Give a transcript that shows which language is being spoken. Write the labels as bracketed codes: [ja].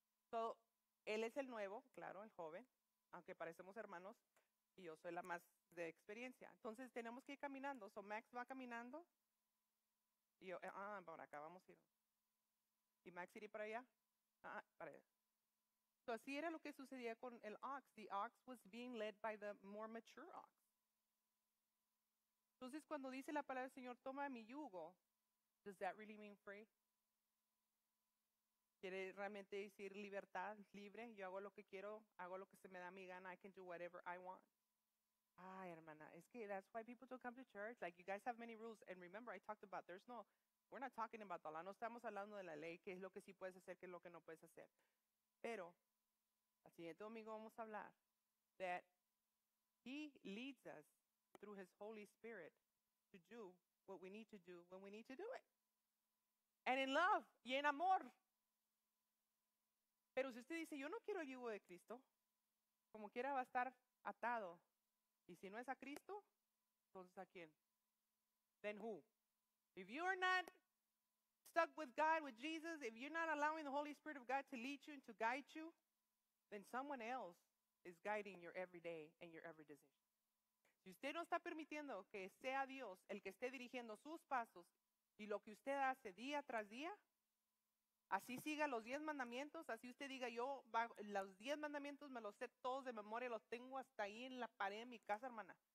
[es] So, él es el nuevo, claro, el joven, aunque parecemos hermanos, y yo soy la más de experiencia. Entonces, tenemos que ir caminando. So, Max va caminando, y yo, para acá, vamos a ir. ¿Y Max iría para allá? Para allá. So así era lo que sucedía con el ox. [en] The ox was being led by the more mature ox. [es] Entonces cuando dice la palabra del Señor, toma mi yugo, [en] does that really mean free? [es] ¿Quiere realmente decir libertad, libre? Yo hago lo que quiero, hago lo que se me da mi gana. [en] I can do whatever I want. [es] Ay, hermana, es que [en] that's why people don't come to church. Like, you guys have many rules. And remember, I talked about, there's no, we're not talking about the law. [es] No estamos hablando de la ley, qué es lo que sí puedes hacer, qué es lo que no puedes hacer. Pero, al siguiente domingo vamos a hablar [en] that he leads us through his Holy Spirit to do what we need to do when we need to do it. And in love, [es] y en amor. Pero si usted dice, yo no quiero el yugo de Cristo, como quiera va a estar atado. Y si no es a Cristo, entonces ¿a quién? [en] Then who? If you are not stuck with God, with Jesus, if you're not allowing the Holy Spirit of God to lead you and to guide you, then someone else is guiding your every day and your every decision. [es] Si usted no está permitiendo que sea Dios el que esté dirigiendo sus pasos y lo que usted hace día tras día, así siga los 10 mandamientos, así usted diga, yo los 10 mandamientos me los sé todos de memoria, los tengo hasta ahí en la pared de mi casa, hermana.